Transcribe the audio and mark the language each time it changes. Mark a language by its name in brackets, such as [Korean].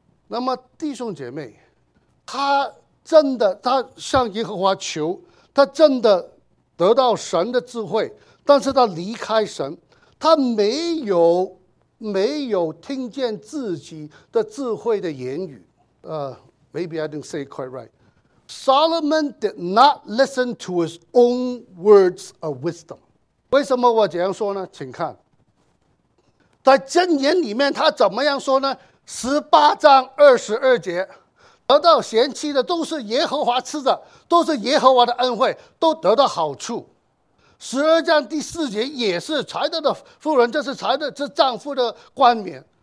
[Chinese] 那么弟兄姐妹，他真的他向耶和华求，他真的得到神的智慧，但是他离开神，他没有听见自己的智慧的言语。 [English] Maybe I didn't say it quite right. Solomon did not listen to his own words of wisdom. [Chinese] 为什么我这样说呢？请看，在箴言里面他怎么样说呢？ 18章22节，得到贤妻的都是耶和华赐的，都是耶和华的恩惠，都得到好处。 12章第4节也是财德的妇人，这是财德，这丈夫的冠冕。